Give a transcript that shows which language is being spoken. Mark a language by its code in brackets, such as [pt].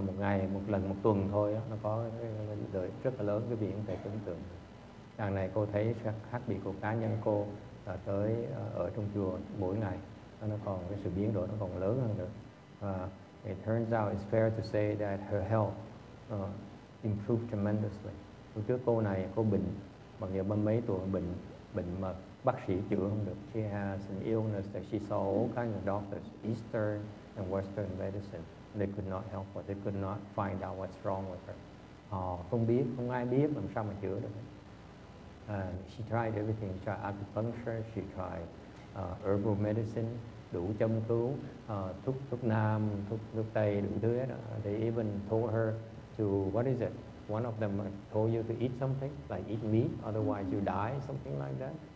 [vi] Một ngày, một lần, một tuần thôi đó, nó có lợi rất là lớn, cái việc có thể tưởng tượng. Đằng này cô thấy khác biệt của cá nhân cô tới ở trong chùa mỗi ngày, nó còn cái sự biến đổi nó còn lớn hơn nữa. [en] It turns out it's fair to say that her health improved tremendously. [vi] Lúc trước cô này cô bệnh, bằng giờ ba mấy tuổi bệnh mà bác sĩ chữa không được. [en] She has an illness that she saw all kinds of doctors, Eastern and Western medicine. They could not help her. They could not find out what's wrong with her. [vi] Không biết, không ai biết làm sao mà chữa được. [en] She tried everything. She tried acupuncture. She tried herbal medicine. [vi] Đủ châm cứu, thuốc nam, thuốc tây, đủ thứ hết. [en] They even told her to, what is it? One of them told you to eat something, like eat meat, otherwise you die, something like that.